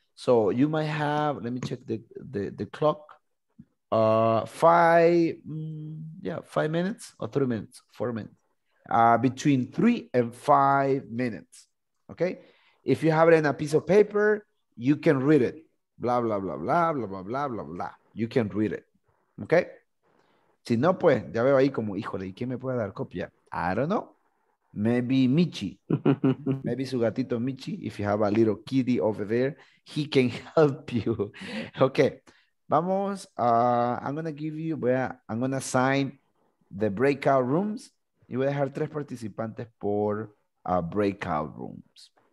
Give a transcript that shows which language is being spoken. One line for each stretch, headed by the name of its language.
English: So you might have, let me check the clock. 5 minutes or 3 minutes, 4 minutes. Between 3 and 5 minutes, okay? If you have it in a piece of paper, you can read it. Blah, blah, blah, blah, blah, blah, blah, blah, blah. You can read it, okay?
Spanish: Si no, pues, ya veo ahí como, híjole, ¿y quién me puede dar copia?
English: I don't know. Maybe Michi. Maybe
Spanish: su gatito
English: Michi, if you have a little kitty over there, he can help you. Okay. Vamos, I'm going to give you, I'm going to assign the breakout rooms.
Spanish: Y voy a dejar 3 participantes por breakout rooms.